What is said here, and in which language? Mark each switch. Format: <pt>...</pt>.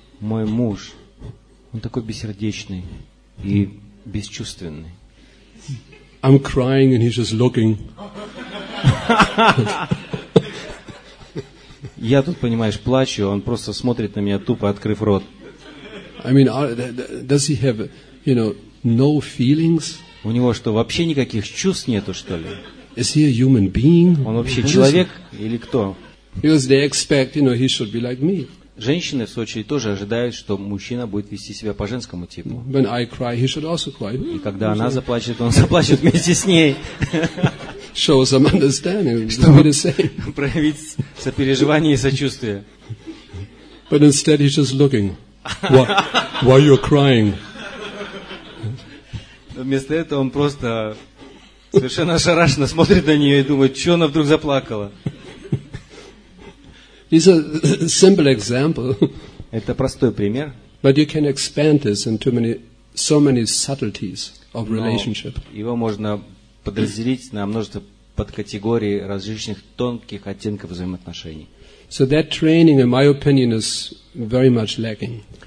<ru>Мой муж, он такой бессердечный и бесчувственный.</ru> <en>I'm crying and he's just looking.</en> <ru>Я тут, понимаешь, плачу, он просто смотрит на меня тупо, открыв рот.</ru> <en>I mean, does he have, you know, no feelings?</en> <ru>У него что, вообще никаких чувств нету, что ли?</ru> <en>Is he a human being?</en> <ru>Он вообще человек или кто?</ru> <en>Because they expect, you know, he should be like me.</en> <ru>Женщины, в свою очередь, тоже ожидают, что мужчина будет вести себя по женскому типу.</ru> <en>When I cry, he should also cry.</en> <ru>И когда она заплачет, он заплачет вместе с ней.</ru> <en>Show some understanding. Чтобы the same.</en> <ru>Проявить сопереживание и сочувствие.</ru> <en>But instead he's just looking. Why you're crying?</en> <ru>Вместо этого он просто совершенно ошарашенно смотрит на нее и думает, что она вдруг заплакала.</ru> <en>It's a simple example.</en> <ru>Это простой пример.</ru> <en>But you can expand this into so many subtleties of relationship.</en> <ru>Его можно подразделить на множество подкатегорий различных тонких оттенков взаимоотношений.</ru> <en>So that training, in my opinion, is very much lacking.</en>